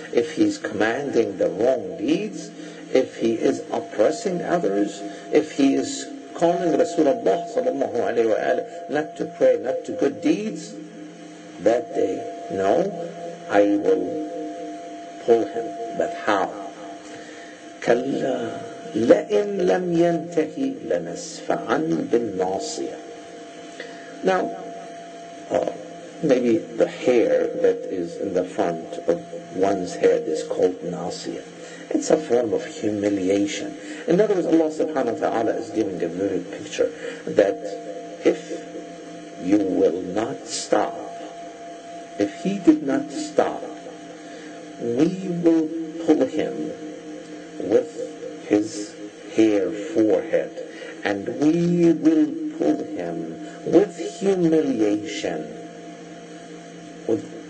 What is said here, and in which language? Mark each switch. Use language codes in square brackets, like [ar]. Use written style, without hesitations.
[en] If he's commanding the wrong deeds, if he is oppressing others, if he is calling Rasulullah sallallahu alayhi wa alayhi not to pray, not to good deeds, that day, no, I will pull him. But how? [ar] كلا لئن لم ينتهي لنسفعن بالناصية. [en] Now, maybe the hair that is in the front of one's head is called nasiya. It's a form of humiliation. In other words, Allah subhanahu wa ta'ala is giving a vivid picture that if you will not stop, if he did not stop, we will pull him with his hair forehead, and we will pull him with humiliation, with